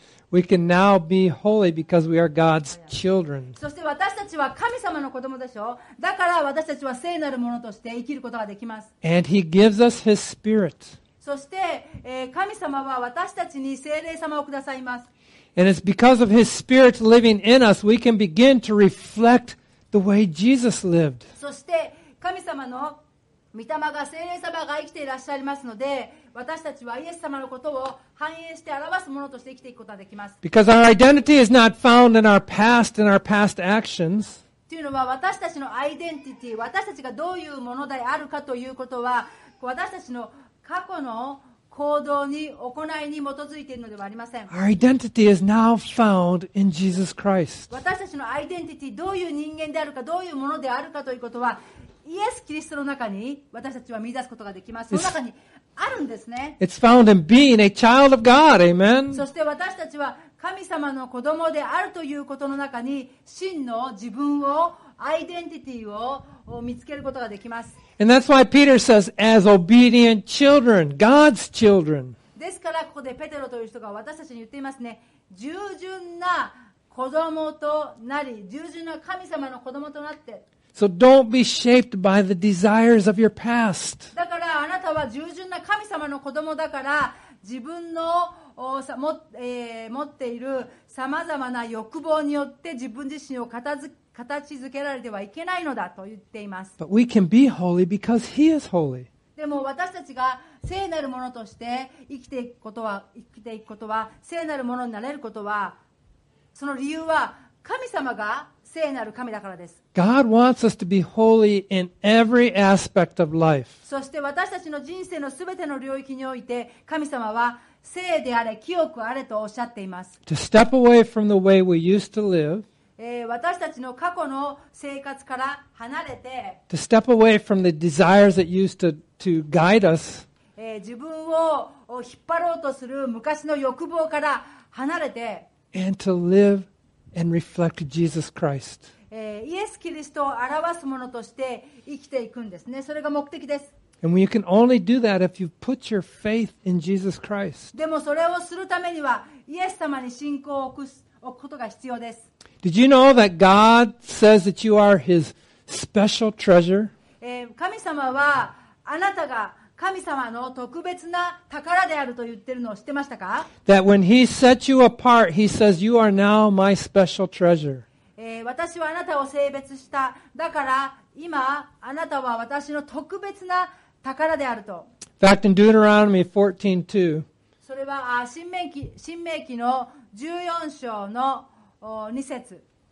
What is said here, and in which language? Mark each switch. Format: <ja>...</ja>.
<en>We can now be holy because we are God's children.</en> <ja>そして私たちは神様の子供でしょ。だから私たちは聖なるものとして生きることができます。</ja> <en>And He gives us His Spirit.</en> <ja>そして、神様は私たちに聖霊様をくださいます。</ja> <en>And it's because of His Spirit living in us, we can begin to reflect the way Jesus lived.</en> <ja>そして、神様の御霊が聖霊様が生きていらっしゃいますので、私たちはイエス様のことを反映して表すものとして生きていくことができます。</ja> <en>Because our identity is not found in our past and our past actions.</en> <ja>というのは私たちのアイデンティティ、私たちがどういうものであるかということは、私たちの過去の行動に行いに基づいているのではありません。</ja> <en>Our identity is now found in Jesus Christ.</en> <ja>私たちのアイデンティティ、どういう人間であるか、どういうものであるかということは、イエス・キリストの中に私たちは見出すことができます。その中にあるんですね。</ja> <en>It's found in being a child of God. Amen.</en> <ja>そして私たちは神様の子供であるということの中に真の自分を、アイデンティティを見つけることができます。</ja> <en>And that's why Peter says, as obedient children, God's children.</en> <ja>ですからここでペテロという人が私たちに言っていますね。従順な子供となり、従順な神様の子供となって。</ja> <en>So don't be shaped by the desires of your past.</en> <ja>だからあなたは従順な神様の子供だから、自分の持っている様々な欲望によって自分自身を形づけられてはいけないのだと言っています。</ja> <en>But we can be holy because he is holy.</en> <ja>でも私たちが聖なるものとして生きていくことは、聖なるものになれることは、その理由は神様が聖なる神だからです。</ja> <en>God wants us to be holy in every aspect of life.</en> <ja>そして私たちの人生のすべての領域において、神様は聖であれ、清くあれとおっしゃっています。</ja> <en>To step away from the way we used to live.</en> <ja>私たちの過去の生活から離れて、</ja> <en>To step away from the desires that used to guide us.</en> <ja>自分を引っ張ろうとする昔の欲望から離れて、</ja> <en>And to live and reflect Jesus Christ.</en> <ja>イエス・キリストを表すものとして生きていくんですね。それが目的です。</ja> <en>And you can only do that if you put your faith in Jesus Christ.</en> <ja>でもそれをするためには、イエス様に信仰を置くことが必要です。</ja> <en>Did you know that God says that you are His special treasure?</en> <ja>神様はあなたが神様の特別な宝であると言ってるのを知ってましたか?</ja> <en>That when He set you apart, He says, you are now my special treasure.</en> <ja>私はあなたを聖別した。だから今あなたは私の特別な宝であると。</ja> <en>In fact, in Deuteronomy 14:2,</en> <ja>それは新命記の14章の2節。</ja>